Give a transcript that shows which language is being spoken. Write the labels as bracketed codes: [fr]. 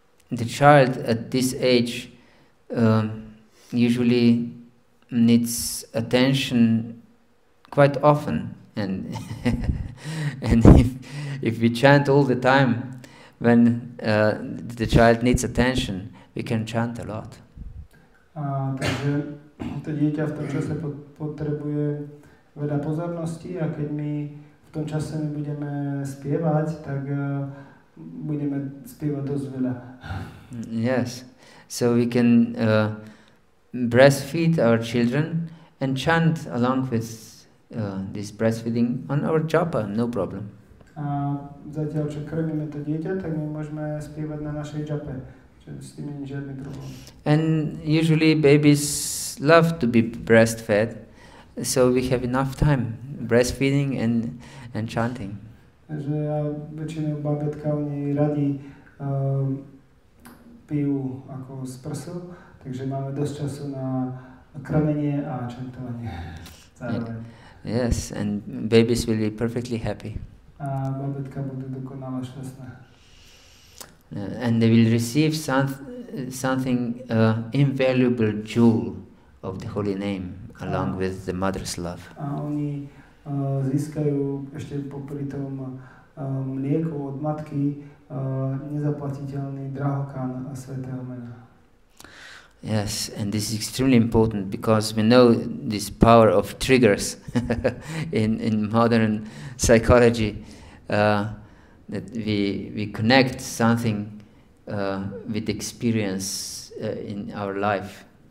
[en] The child at this age usually needs attention quite often, and and if we chant all the time when the child needs attention, we can chant a lot. [sk] Takže to dieťa v tom čase potrebuje veľa pozornosti, a keď my v tom čase budeme spievať, tak budeme spievať dosť veľa. [en] Yes, so we can breastfeed our children and chant along with this breastfeeding on our japa, no problem. [sk] A zatiaľ, čo krmíme to dieťa, tak my môžeme spievať na našej japa, čiže s tým nie je žiadny problém. [en] And usually babies love to be breastfed, so we have enough time breastfeeding and chanting. [sk] Takže väčšinou babetka, oni radi pijú ako z prsu, takže máme dosť času na krmenie a čantovanie zároveň. [en] Yes, and babies will be perfectly happy. [sk] A babetka budú dokonale šťastná. [en] And they will receive something invaluable jewel of the holy name along with the mother's love. [sk] A oni získajú ešte popri tom mlieko od matky nezaplatiteľný drahokán svätého mena. [en] Yes, and this is extremely important because we know this power of triggers in modern psychology, that we connect something with experience in our life.